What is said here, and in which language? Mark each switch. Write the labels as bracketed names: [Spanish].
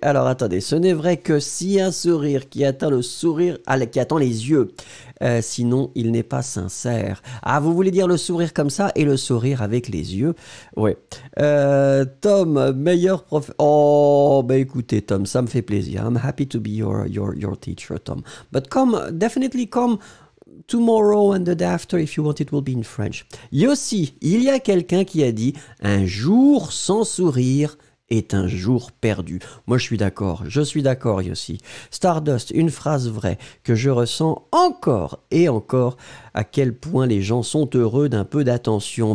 [French] Alors attendez, ce n'est vrai que si un sourire qui atteint le sourire, qui attend les yeux, sinon il n'est pas sincère. Ah, vous voulez dire le sourire comme ça et le sourire avec les yeux? Ouais. Tom, meilleur prof... Oh, bah écoutez Tom, ça me fait plaisir. [English] I'm happy to be your teacher, Tom. But come, definitely come... Tomorrow and the day after, if you want, it will be in French. [French] Yossi, il y a quelqu'un qui a dit « Un jour sans sourire est un jour perdu ». Moi, je suis d'accord, Yossi. Stardust, une phrase vraie que je ressens encore et encore, à quel point les gens sont heureux d'un peu d'attention.